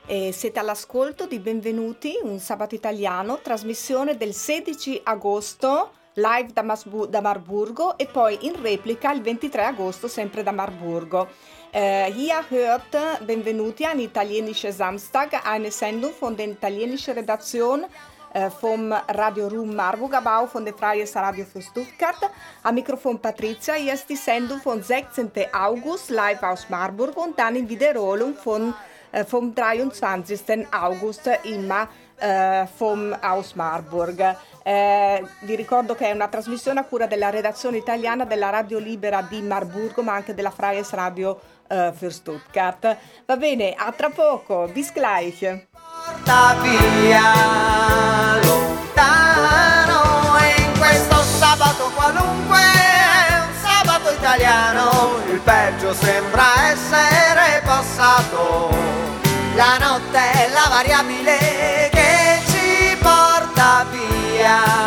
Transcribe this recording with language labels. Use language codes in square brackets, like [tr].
[it] Siete all'ascolto di Benvenuti, un sabato italiano, trasmissione del 16 agosto, live da Marburgo e poi in replica il 23 agosto, sempre da Marburgo. [de] Hier hört Benvenuti an italienischer Samstag, eine Sendung von der italienischen Redaktion vom Radio Room Marburg, aber auch von der Freies Radio für Stuttgart. Am Mikrofon Patricia, hier ist die Sendung vom 16. August, live aus Marburg und dann in Wiederholung von vom 23. August immer vom aus Marburg. [it] Vi ricordo che è una trasmissione a cura della redazione italiana della Radio Libera di Marburgo, ma anche della Freies Radio für Stuttgart. Va bene, a tra poco, [de] bis gleich. [it] Porta via lontano, e in questo sabato qualunque, un sabato italiano, il peggio sembra essere passato. La notte è la variabile che ci porta via.